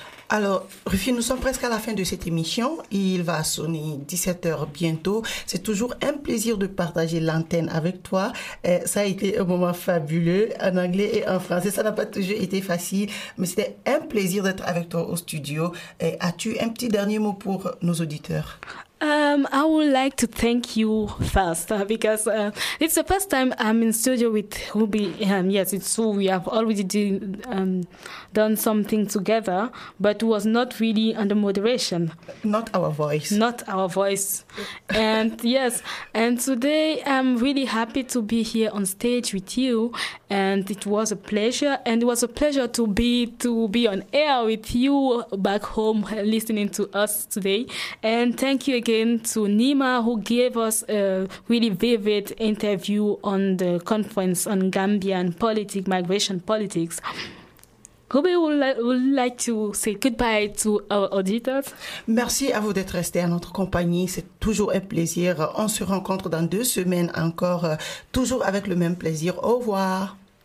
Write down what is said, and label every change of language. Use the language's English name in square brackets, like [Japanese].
[French] Alors, Rufine, nous sommes presque à la fin de cette émission. Il va sonner 17h bientôt. C'est toujours un plaisir de partager l'antenne avec toi. Ça a été un moment fabuleux en anglais et en français. Ça n'a pas toujours été facile, mais c'était un plaisir d'être avec toi au studio. As-tu un petit dernier mot pour nos auditeurs? [English] I would like to thank you first because it's the first time I'm in studio with Ruby. Yes, it's true. We have already done something together, but it was not really under moderation. Not our voice. Not our voice. And yes, and today I'm really happy to be here on stage with you. And it was a pleasure. And it was a pleasure to be on air with you back home listening to us today. And thank you again to Nima, who gave us a really vivid interview on the conference on Gambian politics, migration politics. Ruby would like to say goodbye to our auditors. [French] Merci à vous d'être restés à notre compagnie. C'est toujours un plaisir. On se rencontre dans 2 semaines encore, toujours avec le même plaisir. Au revoir.